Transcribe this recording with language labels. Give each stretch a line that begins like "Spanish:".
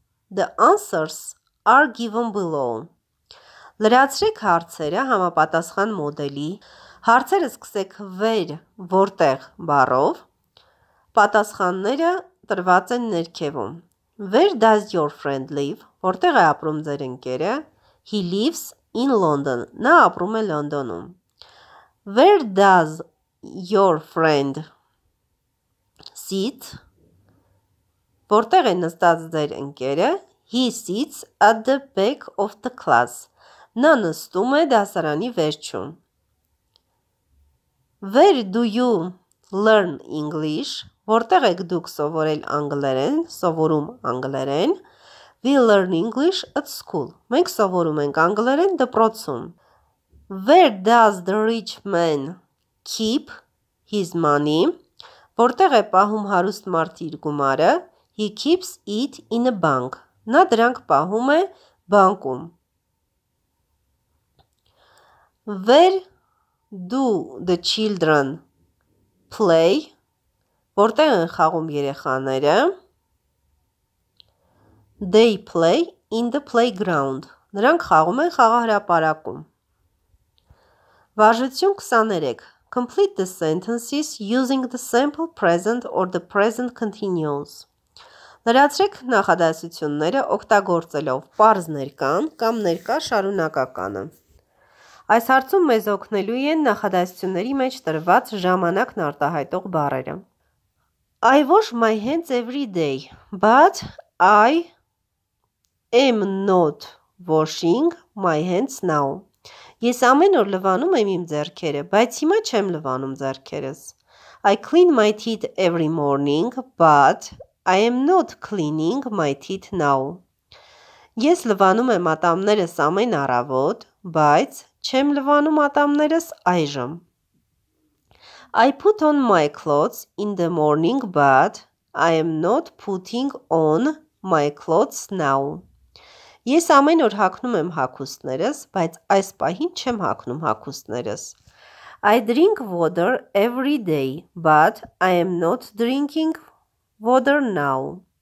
English: The answers are given below.
Armenian: Լրացրեք հարցերը համապատասխան մոդելի։ Հարցերը սկսեք where, որտեղ բառով։ Պատասխանները տրված են ներքևում։
English: Where does your friend live?
Armenian: Որտեղ է ապրում ձեր ընկերը?
English: He lives in London.
Armenian: Նա ապրում է Լոնդոնում։
English: Where does your friend sit?
Armenian: Որտեղ է նստած ձեր ընկերը?
English: He sits at the back of the class.
Armenian: Նա նստում է դասարանի վերջում։
English: Where do you learn English?
Armenian: Որտեղ եք դուք սովորել անգլերեն, սովորում անգլերեն?
English: We learn English at school.
Armenian: Մենք սովորում ենք անգլերեն դպրոցում։
English: Where does the rich man keep his money?
Armenian: Որտեղ է պահում հարուստ մարդի իր գումարը?
English: He keeps it in a bank.
Armenian: Նա դրանք պահում է բանկում։
English: Where do the children play?
Armenian: Որտեղ են խաղում երեխաները?
English: They play in the playground.
Armenian: Նրանք խաղում են խաղահրապարակում։ Վարժություն 23.
English: Complete the sentences using the simple present or the present continuous.
Armenian: Լրացրեք նախադասությունները օգտագործելով պարզ ներկան կամ ներկա շարունակականը։ Այս հարցում մեզ օգնելու են նախադասությունների մեջ տրված ժամանակն արտահայտող բառերը։
English: I wash my hands every day, but I am not washing my hands now.
Armenian: Ես ամեն օր լվանում եմ իմ ձեռքերը, բայց հիմա չեմ լվանում ձեռքերս։
English: I clean my teeth every morning, but I am not cleaning my teeth now.
Armenian: Ես լվանում եմ ատամներս ամեն առավոտ, բայց չեմ լվանում ատամներս այժմ.
English: I put on my clothes in the morning, but I am not putting on my clothes now.
Armenian: Ես ամեն օր հագնում եմ հագուստներս, բայց այս պահին չեմ հագնում հագուստներս.
English: I drink water every day, but I am not drinking water now.